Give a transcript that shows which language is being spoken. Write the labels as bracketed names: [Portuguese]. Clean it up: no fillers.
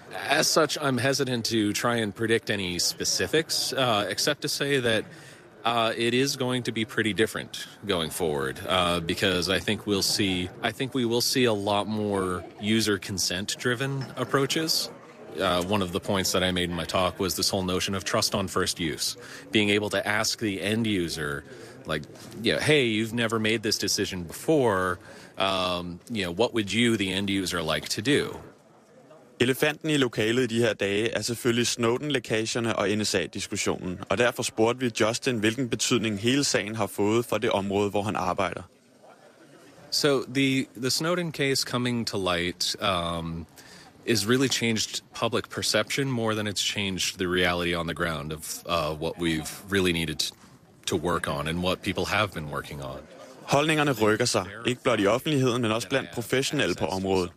[English] As such, I'm hesitant to try and predict any specifics, except to say that it is going to be pretty different going forward, because I think we will see a lot more user consent driven approaches. One of the points that I made in my talk was this whole notion of trust on first use, being able to ask the end user, like, you know, hey, you've never made this decision before, you know, what would you, the end user, like to do? [Danish] Elefanten i lokalet i de her dage er selvfølgelig Snowden-lækagerne og NSA-diskussionen, og derfor spurgte vi Justin, hvilken betydning hele sagen har fået for det område, hvor han arbejder. [English] So the Snowden case coming to light is really changed public perception more than it's changed the reality on the ground of what we've really needed to work on and what people have been working on. [Danish] Holdningerne rykker sig, ikke blot i offentligheden, men også blandt professionelle på området.